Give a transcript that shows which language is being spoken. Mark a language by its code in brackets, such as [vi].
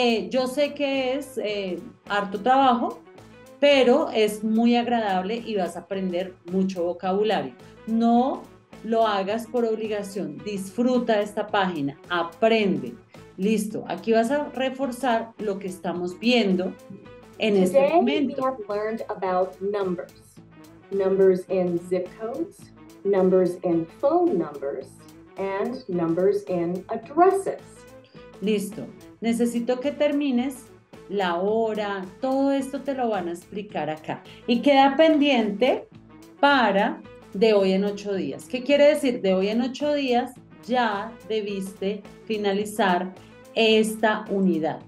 [es] Yo sé que es harto trabajo, pero es muy agradable y vas a aprender mucho vocabulario. No lo hagas por obligación, disfruta esta página, aprende. Listo, aquí vas a reforzar lo que estamos viendo en [en] Today [es] este momento. [en] Today we have learned about numbers. Numbers in zip codes, numbers in phone numbers, and numbers in addresses. [es] Listo, necesito que termines la hora, todo esto te lo van a explicar acá. Y queda pendiente para de hoy en 8 días. ¿Qué quiere decir? De hoy en 8 días ya debiste finalizar esta unidad.